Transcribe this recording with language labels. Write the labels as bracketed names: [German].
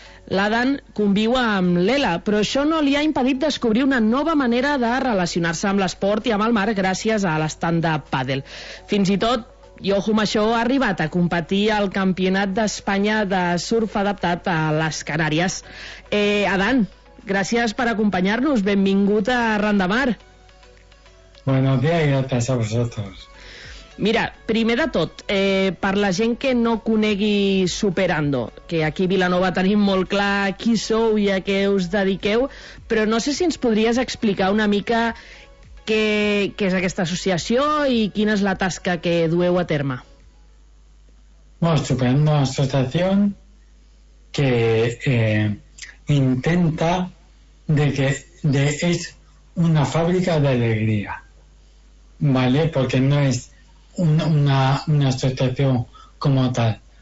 [Catalan] L'Adam conviu amb l'Ela, però això no li ha impedit descobrir una nova manera de relacionar-se amb l'esport i amb el mar gràcies a l'estàndard padel. Fins i tot, i ojo amb això, ha arribat a competir al Campionat d'Espanya de surf adaptat a les Canàries. Adam, gràcies per acompanyar-nos. Benvingut a Arran de Mar. [Spanish] Buenos días y gracias a vosotros. [Catalan] Mira, primer de tot, per la gent que no conegui Superando, que aquí a Vilanova tenim molt clar qui sou i a què us dediqueu, però no sé si ens podries explicar una mica què és aquesta associació i quina és la tasca que dueu a terme. [Spanish] Bueno, Superando, una [Catalan] associació que intenta [Spanish] de es una fábrica de alegría, ¿vale? Porque no es una asociación como tal.